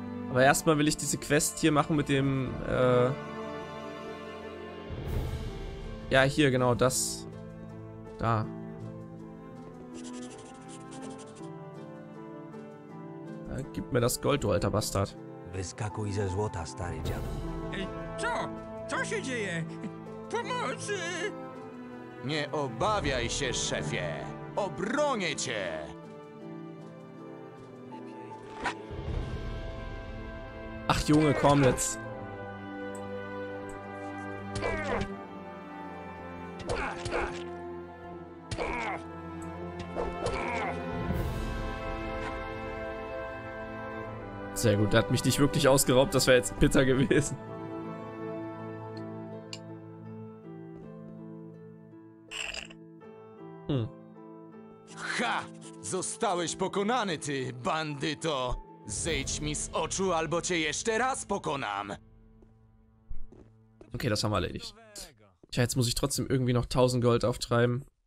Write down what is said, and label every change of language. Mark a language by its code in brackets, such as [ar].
[de] Aber erstmal will ich diese Quest hier machen mit dem, ja, hier, genau, das. Da. Ja, gib mir das Gold, du alter Bastard. [pl] Wyskakuj ze złota, stary dziadu. Co? Co się dzieje? Pomocy! Nie obawiaj się, szefie! Obronię cię! [de] Ach Junge, komm jetzt. Sehr gut, der hat mich nicht wirklich ausgeraubt, das wäre jetzt bitter gewesen. Ha! [pl] Zostałeś pokonany, ty bandyto! Zejdź mi z oczu, albo cię jeszcze raz pokonam. [de] Okay, das haben wir erledigt. Tja, jetzt muss ich trotzdem irgendwie noch 1000 Gold auftreiben.